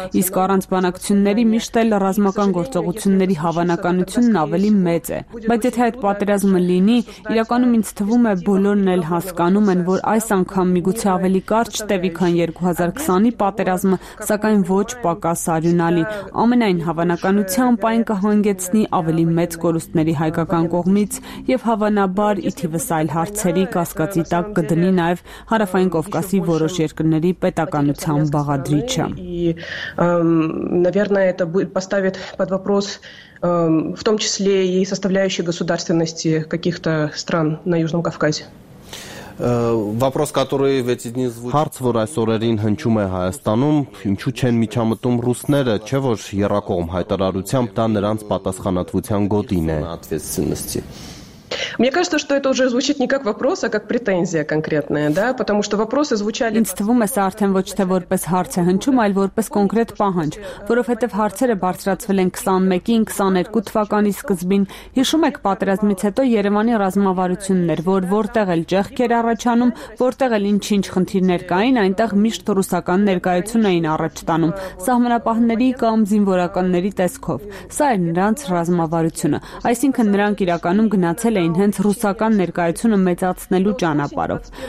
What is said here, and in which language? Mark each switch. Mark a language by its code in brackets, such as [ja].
[hy] իսկ առանց բանակցությունների միշտ էլ ռազմական գործողությունների հավանականությունն ավելի մեծ է։ Բայց եթե այդ պատերազմը լինի, իրականում ինձ թվում է, բոլորն էլ հասկանում են, որ այս անգամ միգուցե ավելի կարճ տևի, քան 2020-ի պատերազմը, սակայն ոչ պակաս արյունալի։ Ամենայն հավանականությամբ այն կհանգեցնի ավելի մեծ կորուստների հայկական կողմից և հավանաբար իթիվս այլ հարցերի կասկածի տակ կդնի նաև Հարավային Կովկասի որոշ երկրների պետականության բաղադրիչը։ [ru] Наверное, это будет поставит под вопрос в том числе и составляющие государственности каких-то стран на Южном Кавказе. [hy] Հարց, որ այս օրերին հնչում է Հայաստանում, ինչու չեն միջամտում ռուսները, չէ՞ որ եռակողմ հայտարարությամբ դա նրանց պատասխանատվության գոտին է։ [ru] Мне кажется, что это уже звучит не как вопрос, а как претензия конкретная, да? Потому что вопросы звучали. [hy] Ինձ թվում է, սա արդեն ոչ թե որպես հարց է հնչում, այլ որպես կոնկրետ պահանջ, որովհետև հարցերը բարձրացվել են 21-ին, 22 թվականի սկզբին։ Հիշում եք, պատերազմից հետո Երևանի ռազմավարությունն էր, որ որտեղ էլ ճեղքեր առաջանում, որտեղ էլ ինչ-ինչ խնդիրներ կային, այնտեղ միշտ ռուսական ներկայություն էին առաջ տանում, սահմանապահների կամ զինվորականների տեսքով։ Սա էր նրանց ռազմավարությունը, այսինքն նրանք իրականում գնացել էին հենց ռուսական ներկայությունը մեծացնելու ճանապարով։